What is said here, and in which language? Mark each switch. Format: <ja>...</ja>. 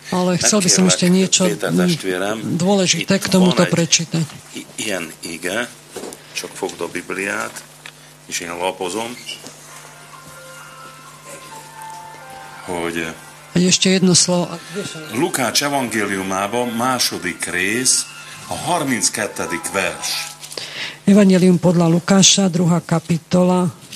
<sk>Ale chcel by som ešte niečo dôležité k tomuto prečítať.</sk> <hu>Ilyen ige, csak fogd a Bibliát, és én lapozom.</hu> <sk>Hogy ešte jedno slovo.</sk> <hu>Lukács evangéliumában második rész, a 32. vers.</hu> <sk>Evangélium podľa Lukáša, druhá kapitola.</sk>